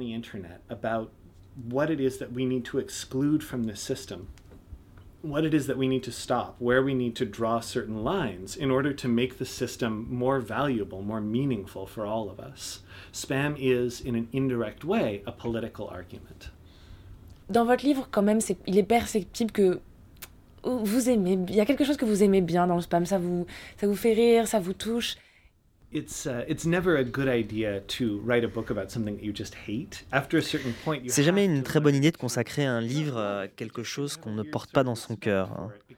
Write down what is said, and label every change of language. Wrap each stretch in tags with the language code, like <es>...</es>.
<en>Internet about what it is that we need to exclude from the system, what it is that we need to stop, where we need to draw certain lines in order to make the system more valuable, more meaningful for all of us. Spam is, in an indirect way, a political argument.</en> <fr>Dans votre livre, quand même, il est perceptible que vous aimez, il y a quelque chose que vous aimez bien dans le spam, ça vous fait rire, ça vous touche.</fr> <en>It's never a good idea to write a book about something that you just hate. After a certain point,</en> <fr>c'est jamais une très bonne idée de consacrer un livre à quelque chose qu'on ne porte pas dans son cœur.</fr>